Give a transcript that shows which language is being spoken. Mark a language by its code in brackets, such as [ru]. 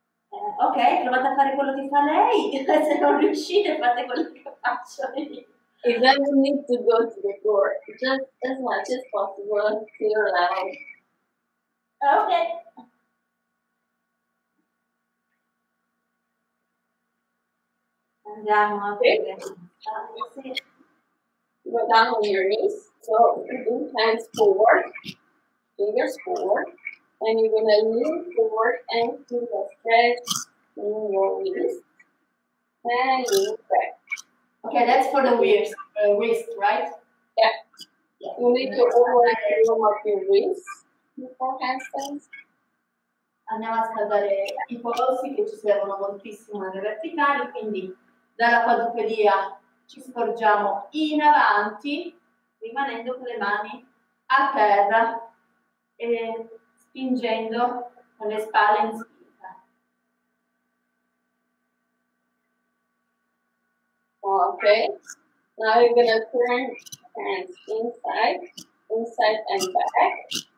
[it] Ok, provate a fare quello che fa lei, se non riuscite fate quello che faccio io. [en] You don't need to go to the floor, just as much as possible to your level. Ok. [it] Andiamo, ok. [en] Go down on your knees, so bring hands forward, fingers forward, and you're gonna lean forward and do the stretch. In your wrist and lean back. Okay, that's for the wrist, right? Yeah. You need to always warm up your wrist before handstands. [it] Andiamo a scaldare i polsi che ci servono moltissimo nelle verticali, quindi dalla quadrupedia ci sporgiamo in avanti rimanendo con le mani a terra e spingendo con le spalle in spinta. [en] Ok, now we're gonna turn hands inside, inside and back.